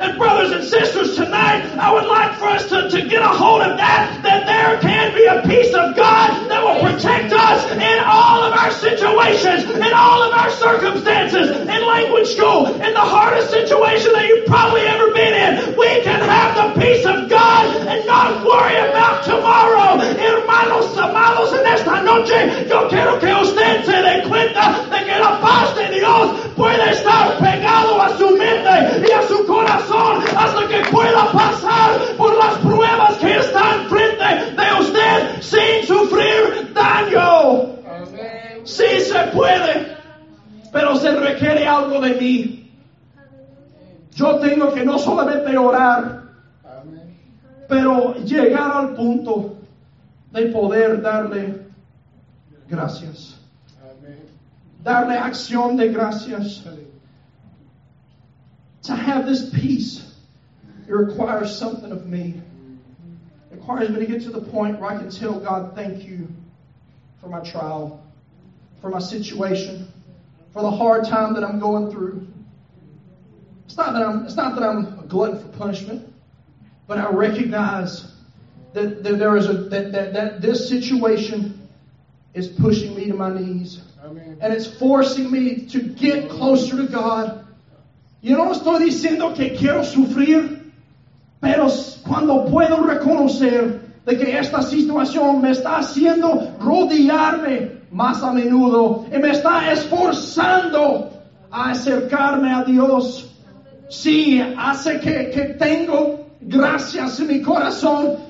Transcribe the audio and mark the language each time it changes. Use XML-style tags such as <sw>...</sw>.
<en>And brothers and sisters, tonight I would like for us to get a hold of that there can be a peace of God that will protect us in all of our situations, in all of our circumstances. In language school, in the hardest situation that you've probably ever been in, we can have the peace of God and not worry about tomorrow.</en> <es>Hermanos, amados, en esta noche yo quiero que usted se dé cuenta de que la paz de Dios puede estar pegado a su mente y a su corazón hasta que pueda pasar por las pruebas que están frente de usted sin sufrir daño. Sí se puede, pero se requiere algo de mí. Yo tengo que no solamente orar, pero llegar al punto de poder darle gracias. Darle acción de gracias.</es> <en>To have this peace, it requires something of me. It requires me to get to the point where I can tell God, thank you for my trial, for my situation, for the hard time that I'm going through. It's not that I'm a glutton for punishment, but I recognize that this situation is pushing me to my knees. Amen. And it's forcing me to get closer to God.</en> <es>Yo no estoy diciendo que quiero sufrir, pero cuando puedo reconocer de que esta situación me está haciendo rodearme más a menudo y me está esforzando a acercarme a Dios, sí, hace que tengo gracias en mi corazón.</es>